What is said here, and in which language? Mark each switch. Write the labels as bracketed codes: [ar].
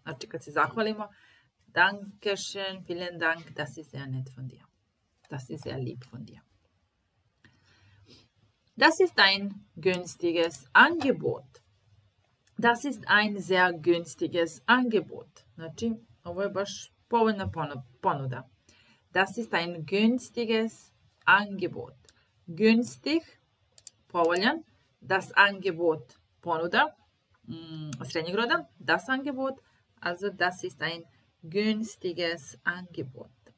[sr] Znači, kad se zahvalimo, [de] Dankeschön, vielen Dank, das ist sehr nett von dir. Das ist sehr lieb von dir. Das ist ein günstiges Angebot. Das ist ein sehr günstiges Angebot. [sr] Znači, ovo je baš povoljna ponuda. [de] Das ist ein günstiges Angebot. Günstig, povoljan. Das Angebot, [sr] ponuda, srednjeg roda. [de] Das Angebot, also das ist ein günstiges Angebot.